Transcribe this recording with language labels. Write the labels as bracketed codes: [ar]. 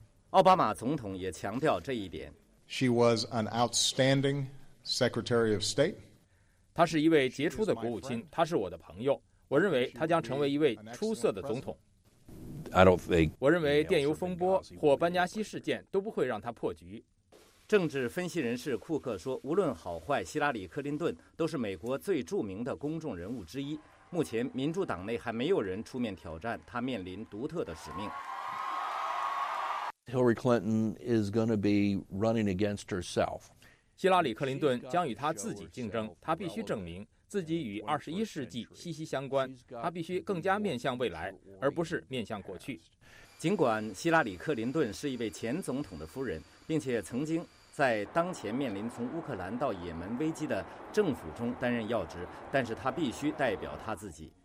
[zh] 奥巴马总统也强调这一点。 [en] She was an outstanding Secretary of State. [zh] 他是一位杰出的国务卿，他是我的朋友。我认为他将成为一位出色的总统。我认为电邮风波或班加西事件都不会让他破局。政治分析人士库克说，无论好坏，希拉里·克林顿都是美国最著名的公众人物之一。目前民主党内还没有人出面挑战他面临独特的使命。 [en] Hillary Clinton is going to be running against herself. [zh] 希拉里·克林顿将与他自己竞争，他必须证明自己与21世纪息息相关，他必须更加面向未来，而不是面向过去。尽管希拉里·克林顿是一位前总统的夫人，并且曾经在当前面临从乌克兰到也门危机的政府中担任要职，但是他必须代表他自己。